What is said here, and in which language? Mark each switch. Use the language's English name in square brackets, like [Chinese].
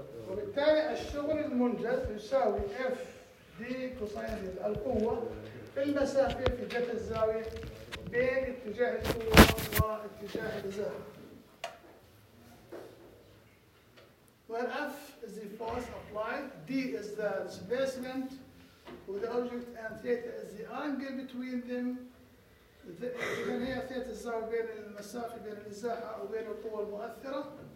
[Arabic] وبالتالي الشغل المنجز يساوي اف دي كوساين القوه في المسافه في جهه الزاويه بين اتجاه القوه واتجاه الزاويه. [English] Where F is the force applied, D is the displacement with the object, and theta is the angle between them. [Arabic] إذن هي theta الزاوية بين المسافة بين الإزاحة أو بين القوة المؤثرة.